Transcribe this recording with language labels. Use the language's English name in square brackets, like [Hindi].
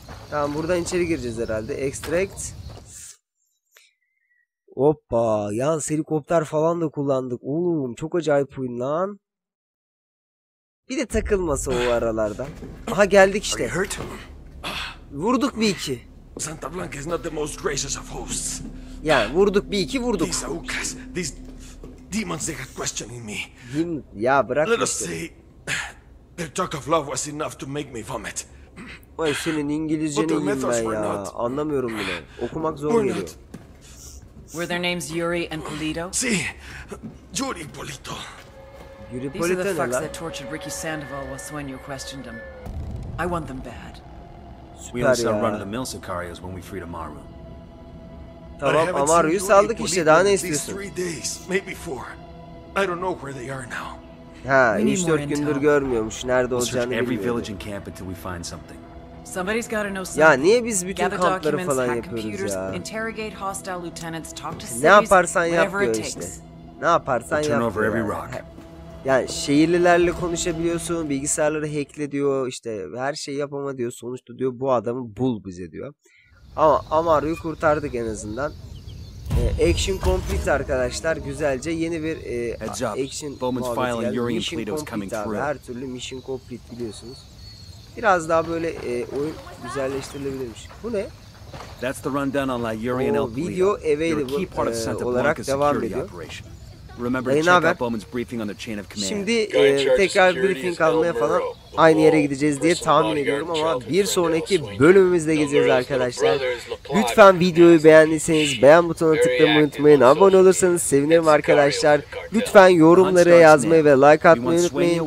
[Turkish] Tamam, buradan içeri gireceğiz herhalde. Extract. Hoppa, yalnız helikopter falan da kullandık. Oğlum, çok acayip oyun lan. Bir de takılması o aralarda. Aha geldik işte. Vurduk bir iki. [English] Santa Blanca is not the most gracious of hosts. [Turkish] Yani vurduk bir iki vurduk. [English] These Aucas, these demons, they got questioning me. [Turkish] Ya bırak işte. [English] Let us say, their talk of love was enough to make me vomit. [Turkish] Vay senin İngilizcen iyiyim ben ya. Anlamıyorum bile. Okumak zor geliyor. [English] Were their names Yuri and Polito? Si, Yuri and Polito. [Turkish] Yuri and Polito ne lan? [English] These are the fucks that tortured Ricky Sandoval while Suenio questioned him. I want them bad. We only saw run of the mill Sicarios when we freed Amaru. [Turkish] Tamam, Amaru'yu saldık işte. Daha ne istiyorsun? [English] 3 days, maybe 4. I don't know where they are now. [Turkish] Ha, 3-4 gündür görmüyormuş. Nerede olacağını bilmiyor. [English] Every village and camp until we find something. Somebody's got to know something. [Turkish] Ya niye biz bütün kampları falan yapıyoruz ya? [English] Interrogate hostile lieutenants, talk to [Turkish] cities. Ne yaparsan yap diyor işte. Ne yaparsan yap. [English] Turn over every rock. [Turkish] Yani şehirlilerle konuşabiliyorsun, bilgisayarları hackle diyor, işte her şeyi yap ama diyor, sonuçta diyor bu adamı bul bize diyor. Ama Amaru'yu kurtardık en azından. [English] Action complete [Turkish] arkadaşlar, güzelce yeni bir action muhabbeti geldi. [English] Mission complete [Turkish] abi, her türlü [English] mission complete [Turkish] biliyorsunuz. Biraz daha böyle oyun güzelleştirilebilirmiş. Bu ne? [English] That's the rundown on La Yuri and El Polito. Video available [Turkish] olarak devam ediyor. [English] Remember to check out Bowman's briefing on the chain of command. [Turkish] Şimdi tekrar briefing almaya falan aynı yere gideceğiz diye tahmin ediyorum ama bir sonraki bölümümüzde gideceğiz arkadaşlar. Lütfen videoyu beğendiyseniz beğen butonuna tıklamayı unutmayın. Abone olursanız sevinirim arkadaşlar. Lütfen yorumlara yazmayı ve like atmayı unutmayın.